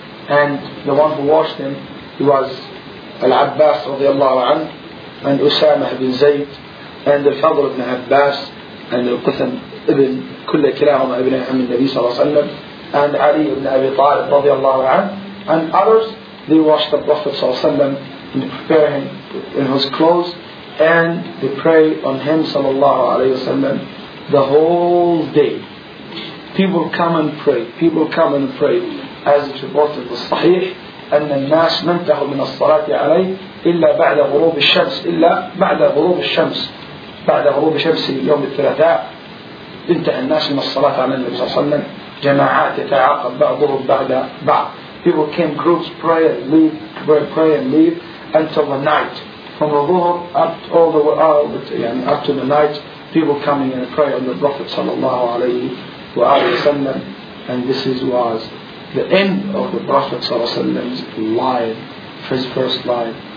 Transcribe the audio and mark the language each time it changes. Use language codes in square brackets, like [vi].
[en] And the one who washed him, he was Al-Abbas radiallahu anhu, and Usama ibn Zayd, and Al-Fadr ibn Abbas, and Al-Qutham ibn Kulla Kirahuma ibn Ahmad Nabi sallallahu alayhi wa sallam, and Ali ibn Abi Talib radiallahu anhu, and others, they washed the Prophet sallallahu alayhi wa sallam, and prepare him in his clothes and they pray on him sallallahu alayhi wa sallam the whole day. People come and pray, people come and pray. As it's reported in Sahih, [ar] أن الناس منتهوا من الصلاة عليه إلا بعد غروب الشمس إلا بعد غروب الشمس بعد غروب الشمس يوم الثلاثاء انتهى الناس من الصلاة على النبي صلى الله عليه وسلم جماعات يتعاقب بعضهم بعد بعض. [en] People came, groups pray and leave, pray and leave until the night. From the Dhuhr up all the way up to the night, people coming and pray on the Prophet sallallahu alayhi wa sallam. And this was the end of the Prophet sallallahu alayhi wa sallam's life, his first life.